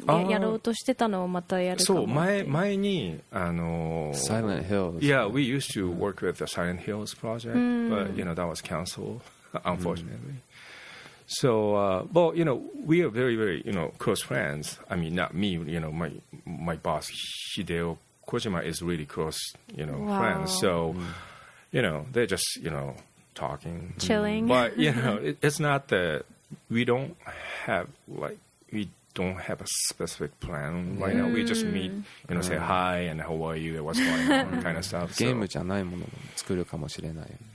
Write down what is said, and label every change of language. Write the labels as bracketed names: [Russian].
[Japanese] やろうとしてたのをまたやるかも。そう、前に、 [English] Silent Hills. Yeah, we used to work with the Silent Hills project, but, you know, that was canceled, unfortunately. So, well, you know, we are very, very, you know, close friends. I mean, not me, you know, my boss, Hideo Kojima, is really close, you know, friends. So, you know, they're just, you know, talking. Chilling. But, you know, it's not that we don't have, like, we don't have a specific plan right now. We just meet, you know, say hi and how are you, what's going on, kind of stuff. [Japanese] ゲームじゃないものも作るかもしれない。